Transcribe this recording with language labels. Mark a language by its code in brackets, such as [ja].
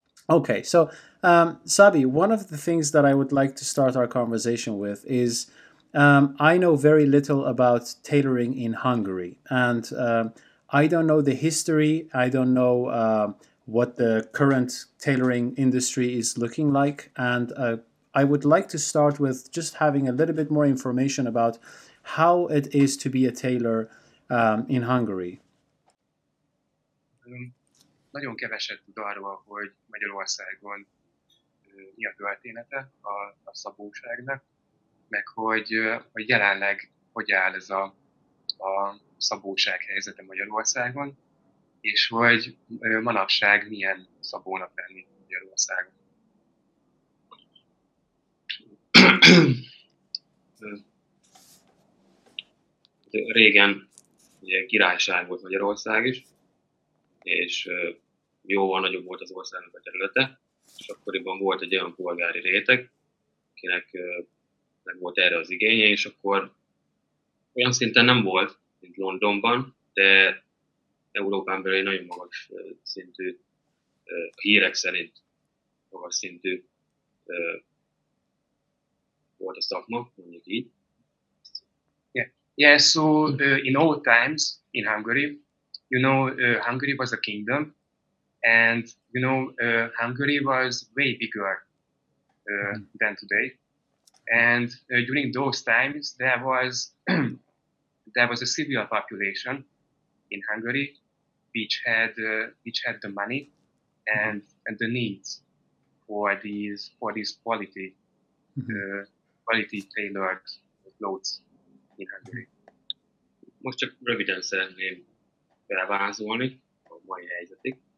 [en] Okay, so Szabi, one of the things that I would like to start our conversation with is I know very little about tailoring in Hungary, and I don't know the history. I don't know what the current tailoring industry is looking like. And I would like to start with just having a little bit more information about how it is to be a tailor in Hungary. [hu] Nagyon keveset tud arról, hogy Magyarországon mi a története a szabóságnak, meg hogy jelenleg hogy áll ez a szabóság helyzete Magyarországon, és hogy manapság milyen szabónak lenni Magyarországon. Régen ugye királyság volt Magyarország is, és jóval nagyobb volt az országnak a területe, és akkoriban volt egy olyan polgári réteg, akinek meg volt erre az igénye, és akkor olyan szinten nem volt, mint Londonban, de Európán belül egy nagyon magas szintű, a hírek szerint magas szintű volt a szakma, mondjuk így. [en] So in old times in Hungary, you know, Hungary was a kingdom, and you know, Hungary was way bigger than today. And during those times, there was there was a civil population in Hungary, which had the money and the needs for these quality quality tailored clothes in Hungary. [hu] Most csak röviden szeretném felvázolni a mai helyzetig.